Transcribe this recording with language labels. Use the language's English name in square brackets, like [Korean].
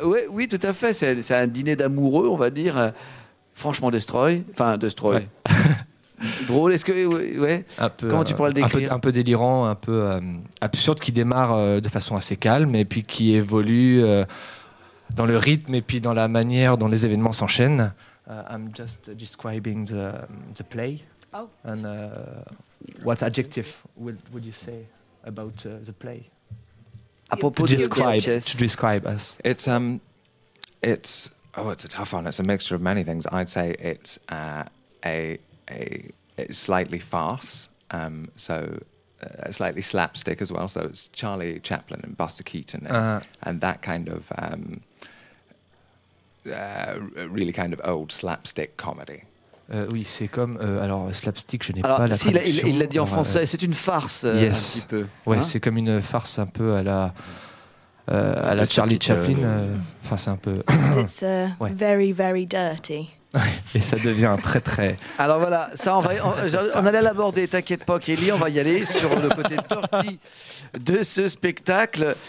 [French] oui, tout à fait. C'est un dîner d'amoureux, on va dire. Franchement, Destroy. Enfin, Destroy. Ouais. Drôle, est-ce que ouais. Un peu, comment tu pourrais le décrire? Un peu délirant, un peu absurde, qui démarre de façon assez calme et puis qui évolue dans le rythme et puis dans la manière dont les événements s'enchaînent. [English] I'm just describing the play. Oh. And what adjective would you say about the play? [French] À propos [English] de describe. To describe us. It's a tough one. It's a mixture of many things. I'd say it's a slightly farce, so slightly slapstick as well. So it's Charlie Chaplin and Buster Keaton, and that kind of really kind of old slapstick comedy. [French] Oui, c'est comme alors slapstick. Je n'ai alors, pas la traduction. Il l'a dit en français. C'est une farce. [English] Yes. [French] Un petit peu. Ouais, hein? C'est comme une farce un peu à la à la Charlie Chaplin. Enfin, c'est un peu. [English] It's ouais. Very, very dirty. [French] Et ça devient très, très. Alors voilà, ça, on allait l'aborder, t'inquiète pas, Kelly, on va y aller sur le côté dirty de ce spectacle.